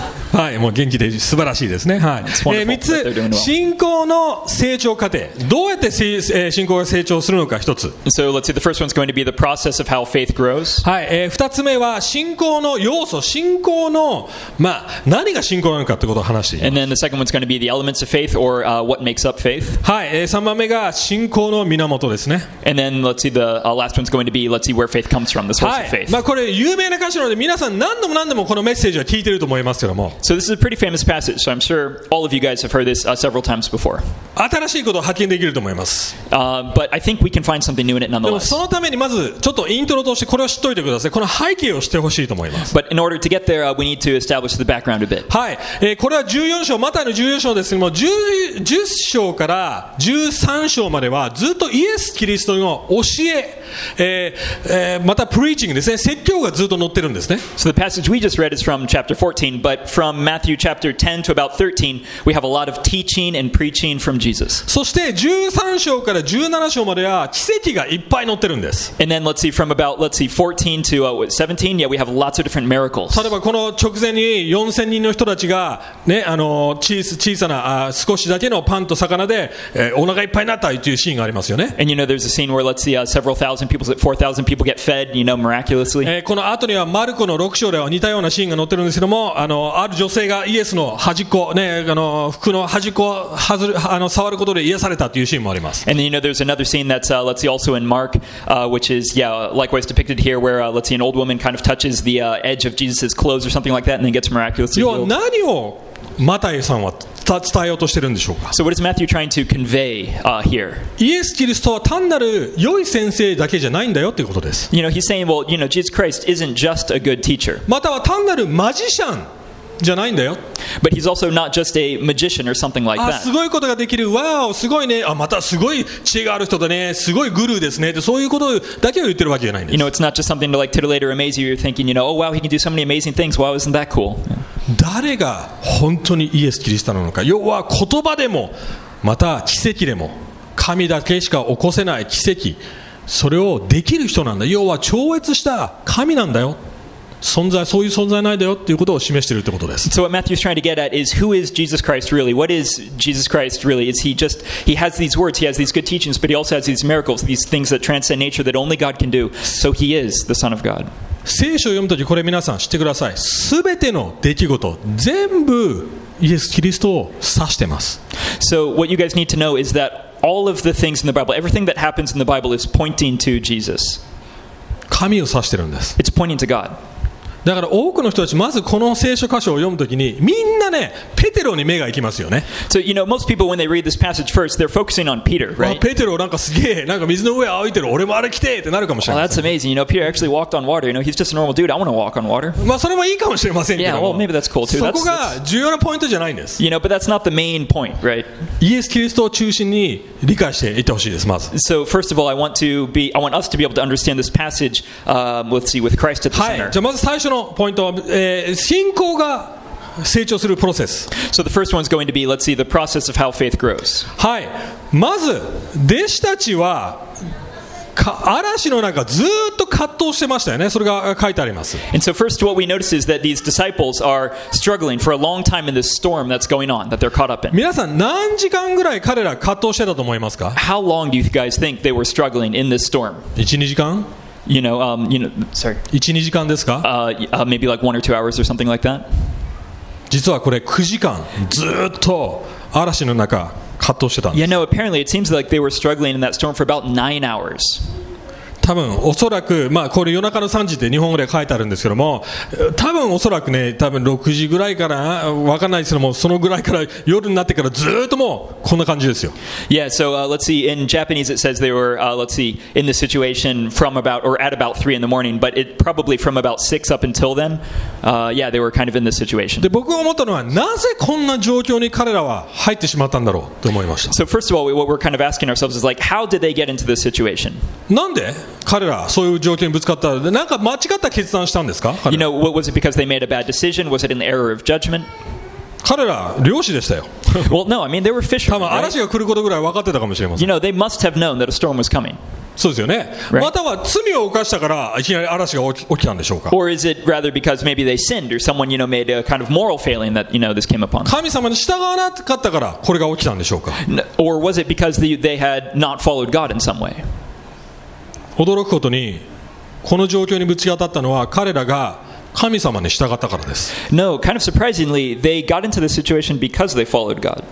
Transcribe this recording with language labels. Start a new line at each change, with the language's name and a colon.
Japanese: はい、もう元気で素晴らしいですね。はい、 3 つ、信仰の成長過程、どうやって信仰が成長するのか、1つ。
English: So let's see, the first one's going to be the process of how faith grows.
Japanese: はい、2つ目は信仰の要素、信仰の、まあ、何が信仰なのかということを話しています。
English: And then the second one's going to be the elements of faith or what makes up faith.
Japanese: はい、3番目が信仰の源ですね。
English: And then let's see, the last one's going to be, let's see where faith comes from, the source、
Japanese: はい、
English: of faith.
Japanese: まあ、これ有名な箇所なので皆さん何度もこのメッセージは聞いてると思いますけども。
English: So this is a pretty famous passage, so I'm sure all of you guys have heard this several times before.
Japanese: 新しいことを発見できると思います。
English: But I think we can find something new in it nonetheless.
Japanese: でもそのためにまずちょっとイントロとしてこれを知っておいてください。この背景を知ってほしいと思います。
English: But in order to get there, we need to establish the background a bit.
Japanese: はい、これは14章、マタイの14章ですけども、10章から13章まではずっとイエス・キリストの教え、またプリーチングですね、説教がずっと載ってるんですね。
English: So the passage we just read is from chapter 14, but from Matthew chapter 10 to about 13, we have a lot of teaching and preaching from Jesus.
Japanese: そして13章から17章までは奇跡がいっぱい載ってるんです。
English: And then let's see, from about, let's see, 14 to 17, yeah, we have lots of different miracles.
Japanese: 例えばこの直前に4000人の人たちが、ね、小さな、少しだけのパンと魚で、お腹いっぱいになったというシーンがありますよね。
English: And you know, there's a scene where, let's see, several thousand people, 4,000 people get fed, you know, miraculously.
Japanese: この後にはマルコの6章では似たようなシーンが載ってるんですけども、ある女性がイエスの端っこ、ね、服の端っこを触ることで癒されたというシーンもあります。
English: And then, you know, there's another scene that's, let's see, also in Mark, which is, yeah, likewise depicted here, where, let's see, an old woman kind of touches the edge of Jesus' clothes or something like that, and then gets miraculously healed.
Japanese: 要は何をマタイさんは伝えようとしてるんでしょうか。
English: So what is Matthew trying to convey, here?
Japanese: イエス・キリストは単なる良い先生だけじゃないんだよということです。
English: You know, he's saying, well, you know, Jesus Christ isn't just a good teacher.
Japanese: または単なるマジシャン。じゃないんだよ。
English: But he's also not just a magician or something like that.
Japanese: あ、すごいことができる。わお、すごいね。あ、またすごい知恵がある人だね。すごいグルーですね。で、そういうことだけを言ってるわけじゃないんです。
English: You know, it's not just something to like titillate or amaze you. You're thinking, you know, oh wow, he can do so many amazing things. Wow, isn't that cool?
Japanese: 誰が本当にイエス・キリストなのか。要は言葉でも、また奇跡でも、神だけしか起こせない奇跡。それをできる人なんだ。要は超越した神なんだよ。存在、そういう存在ないだよっていうことを示しているということです。
English: So what Matthew's trying to get at is, who is Jesus Christ really? What is Jesus Christ really? Is he just, he has these words, he has these good teachings, but he also has these miracles, these things that transcend nature that only God can do. So he is the Son of God.
Japanese: 聖書を読むときこれ皆さん知ってください。すべての出来事、全部イエス・キリストを指してます。
English: So what you guys need to know is that all of the things in the Bible, everything that happens in the Bible is pointing to Jesus.
Japanese: 神を指してるんです。
English: It's pointing to God.
Japanese: だから多くの人たちまずこの聖書箇所を読むときにみんなねペテロに目が行きますよね。
English: So you know most people when they read this passage first they're focusing on Peter, right?
Japanese: ペテロなんかすげえなんか水の上歩いてる俺もあれ来てってなるかもしれない。
English: Well, that's amazing. You know Peter actually walked on water. You know he's just a normal dude. I want to walk on water.
Japanese: まあそれもいいかもしれませんけども。
English: Yeah, well maybe that's cool too.
Japanese: そこが重要なポイントじゃないんです。
English: You know but that's not the main point, right?
Japanese: イエス・キリストを中心に理解していってほしいですまず。
English: So first of all I want us to be able to understand this passage, let's see, with Christ at the center.
Japanese: はい。じゃあまず最初のポイントは、信仰が成長するプロセス。
English: So the first one's going to be, let's see, the process of how faith grows.
Japanese: はい。まず弟子たちは嵐の中ずっと葛藤してましたよね。それが書いてあります。
English: And so first, what we notice is that these disciples are struggling for a long time in this storm that's going on, that they're caught up in.
Japanese: 皆さん何時間ぐらい彼ら葛藤してたと思いますか
English: ？How long do you guys think they were struggling in this storm? 1-2 hours?
Japanese: 1-2 時間ですか
English: maybe like 1 or 2 hours or something like that.
Japanese: 実はこれ9時間ずっと嵐の中葛藤してたんです
English: Yeah, no, apparently it seems like they were struggling in that storm for about 9 hours.
Japanese: 多分おそらく、まあ、これ夜中の3時って日本語で書いてあるんですけども多分おそらくね多分6時ぐらいから分かんないですけどもそのぐらいから夜になってからずっともうこんな感じですよ
English: Yeah, so let's see, in Japanese it says they were, let's see, in the situation from about, or at about 3 in the morning but it probably from about 6 up until then yeah, they were kind of in this situation
Japanese: で僕が思ったのはなぜこんな状況に彼らは入ってしまったんだろうと思いました
English: So first of all, what we're kind of asking ourselves is like, how did they get into this situation?
Japanese: なんで彼らそういう状況にぶつかったなんか間違った決断したんですか
English: You know, was it because they made a bad decision? Was it an error of judgment?
Japanese: 彼ら漁師でしたよ
English: Well, no, I mean, they were fishermen, right?
Japanese: 多分嵐が来ることぐらい分かってたかもしれません
English: You know, they must have known that a storm was coming
Japanese: そうですよね、
English: right?
Japanese: または罪を犯したからいきなり嵐が起きたんでしょうか
English: Or is it rather because maybe they sinned or someone, you know, made a kind of moral failing that, you know, this came upon them
Japanese: 神様に従わなかったからこれが起きたんでしょうか
English: Or was it because they had not followed God in some way?
Japanese: 驚くことにこの状況にぶち当たったのは彼らが神様に従ったからです。
English: No, kind of surprisingly, they got into the situation because they followed God.